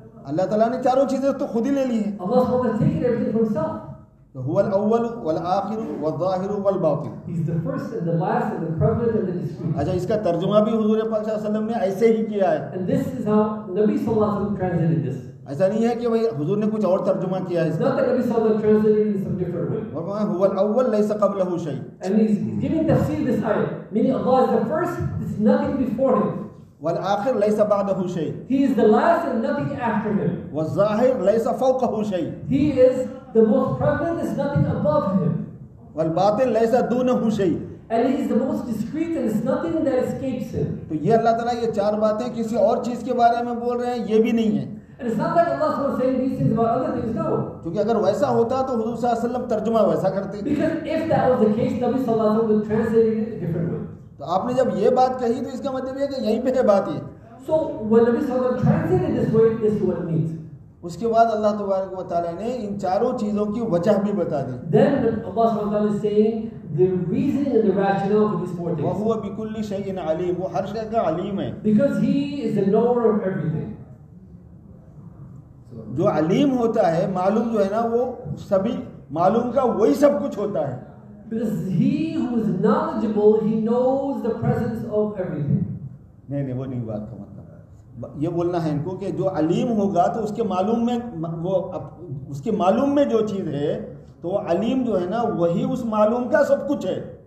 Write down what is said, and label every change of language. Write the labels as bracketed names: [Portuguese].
[Urdu] اللہ تعالیٰ نے چاروں چیزیں تو خود ہی لے لی ہیں. [English] Allah has taken everything from himself. [Arabic] هو الاول والآخر والظاہر والباطن. [English] He's the first and the last and the prevalent and the discreet. [Urdu] اچھا اس کا ترجمہ بھی حضور پاک صلی اللہ علیہ وسلم نے ایسے ہی کیا ہے. [English] And this is how Nabi صلی اللہ علیہ وسلم translated this. [Urdu] ایسا نہیں ہے کہ بھائی حضور نے کچھ اور ترجمہ کیا ہے اس کا. [English] Nabi صلی اللہ علیہ وسلم translated in some different way. [Arabic] هو الاول ليس قبله شيء. [English] And he's giving tafsir this ayah, meaning Allah is the first, there's nothing before him. [Arabic] والآخر ليس بعده شيء. [English] He is the last and nothing after him. [Arabic] والظاهر ليس فوقه شيء. [English] He is the most prevalent, there's nothing above him. [Arabic] والباطن ليس دونه شيء. [English] And he is the most discreet and there's nothing that escapes him. [Urdu] تو یہ اللہ تعالیٰ یہ چار باتیں کسی اور چیز کے بارے میں بول رہے ہیں یہ بھی نہیں ہے. [English] And it's not like Allah is saying these things about other things, no. [Urdu] کیونکہ اگر ویسا ہوتا تو حضور صلی اللہ علیہ وسلم ترجمہ ویسا کرتے. [English] Because if that was the case, Nabi صلی اللہ علیہ وسلم would translate it in a different way. [Urdu] تو آپ نے جب یہ بات کہی تو اس کا مطلب یہ کہ یہیں پہ ہے بات. یہ [English] So when Nabi صلی اللہ علیہ وسلم translated this way, this is what it means. [Urdu] اس کے بعد اللہ تبارک و تعالی نے ان چاروں چیزوں کی وجہ بھی بتا دی. [English] Then Allah صلی اللہ علیہ وسلم is saying the reason and the rationale for these four things. [Arabic] وَهُوَ بِكُلِّ شَيْءٍ عَلِيمٌ. [Urdu] وہ ہر شے کا علیم ہے. [English] Because he is the knower of everything. [Urdu] جو علیم ہوتا ہے معلوم جو ہے نا وہ سبھی معلوم کا وہی سب کچھ ہوتا ہے. [English] Because he who is knowledgeable, he knows the presence of everything. [Urdu] نہیں نہیں وہ نہیں بات کا مطلب یہ بولنا ہے ان کو کہ جو علیم ہوگا تو اس کے معلوم میں وہ اس کے معلوم میں جو چیز ہے تو وہ علیم جو ہے نا وہی اس معلوم کا سب کچھ ہے.